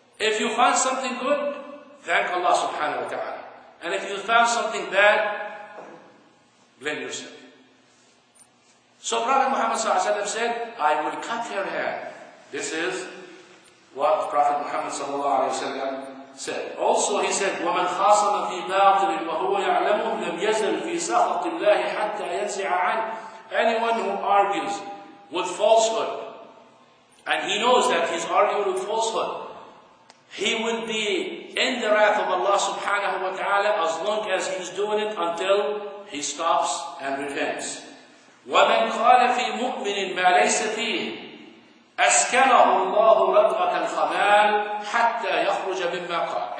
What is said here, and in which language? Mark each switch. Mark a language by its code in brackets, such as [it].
[en] If you find something good, thank Allah subhanahu wa ta'ala. And if you found something bad, blame yourself. So Prophet Muhammad sallallahu alayhi wa sallam said, I will cut her hair. This is what Prophet Muhammad sallallahu alayhi wa sallam said. Also he said, [ar] وَمَنْ خَاصَمَ فِي بَاطِلٍ وَهُوَ يَعْلَمُهُ لَمْ يَزَلْ فِي سَخَطِ اللَّهِ حَتَّى يَنْزِعَ عَنْهُ. [en] Anyone who argues with falsehood, and he knows that he's arguing with falsehood, he will be in the wrath of Allah subhanahu wa ta'ala as long as he's doing it until he stops and repents. [ar] وَمَنْ قَالَ فِي مُؤْمِنٍ مَا لَيْسَ فِيهِ أَسْكَنَهُ اللَّهُ رَدْغَةَ الْخَمَالِ حَتَّى يَخْرُجَ مِمَّا قَالَ.